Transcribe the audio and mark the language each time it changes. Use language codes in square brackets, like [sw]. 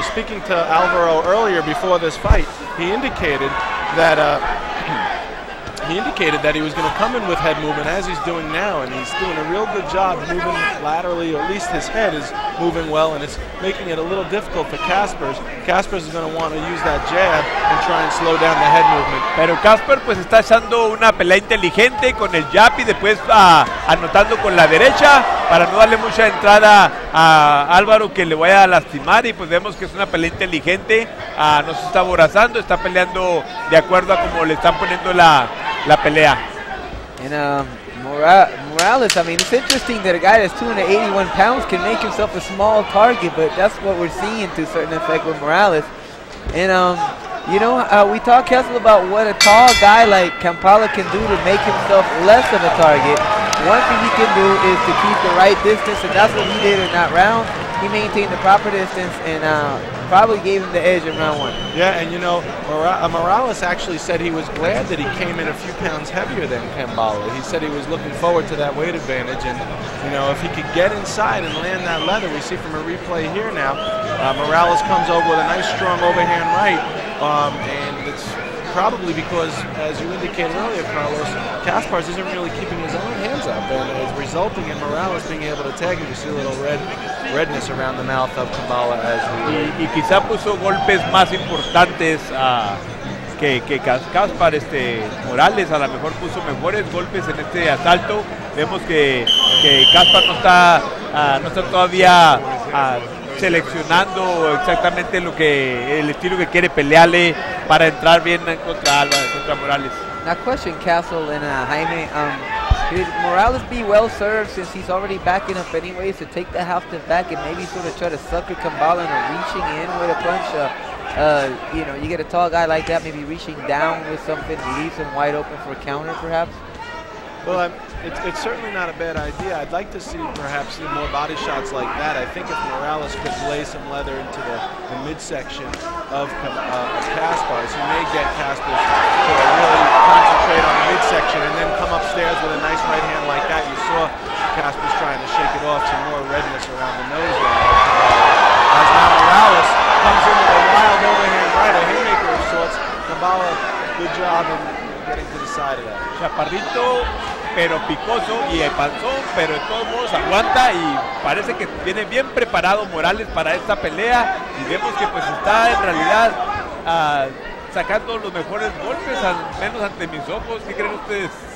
[en] But speaking to Alvaro earlier before this fight, he indicated that he was going to come in with head movement as he's doing now, and he's doing a real good job moving laterally, or at least his head is moving well, and it's making it a little difficult for Kaspar's. Kaspar's is going to want to use that jab and try and slow down the head movement. [es] Pero Kaspar pues está echando una pelea inteligente con el jab y después anotando con la derecha para no darle mucha entrada a Álvaro que le vaya a lastimar, y pues vemos que es una pelea inteligente. No se está aborazando, está peleando de acuerdo a como le están poniendo la pelea. [en] And Morales, I mean, it's interesting that a guy that's 281 pounds can make himself a small target, but that's what we're seeing to a certain effect with Morales. And, we talked, Kessel, about what a tall guy like Kampala can do to make himself less of a target. One thing he can do is to keep the right distance, and that's what he did in that round. He maintained the proper distance and probably gave him the edge in round one. Yeah, and Morales actually said he was glad that he came in a few pounds heavier than Kambala. He said he was looking forward to that weight advantage, and if he could get inside and land that leather, we see from a replay here now, Morales comes over with a nice strong overhand right, and it's probably because, as you indicated earlier, Carlos, Kaspars isn't really keeping his own hands up, and it's resulting in Morales being able to tag him. You see a little redness around the mouth of Kambala as we. [es] Y quizá puso golpes más importantes que Kaspar Morales. A lo mejor puso mejores golpes en este asalto. Vemos que Kaspar no está todavía seleccionando exactamente lo que el estilo que quiere pelearle para entrar bien contra Morales. [en] Now question, Castle and Jaime, could Morales be well served, since he's already backing up anyways, to take the half step back and maybe sort of try to sucker Kambala into reaching in with a punch? You get a tall guy like that, maybe reaching down with something leaves him wide open for a counter perhaps? Well, it's certainly not a bad idea. I'd like to see perhaps some more body shots like that. I think if Morales could lay some leather into the midsection of Kaspar's, he may get Kaspar's to really concentrate on the midsection and then come upstairs with a nice right hand like that. You saw Kaspar's trying to shake it off, some more redness around the nose there. As now Morales comes in with a wild overhand right, a haymaker of sorts. Kambala, good job in getting to the side of that. [es] Chaparrito, pero picoso y el panzón, pero de todos modos aguanta y parece que viene bien preparado Morales para esta pelea, y vemos que pues está en realidad sacando los mejores golpes, al menos ante mis ojos. ¿Qué creen ustedes?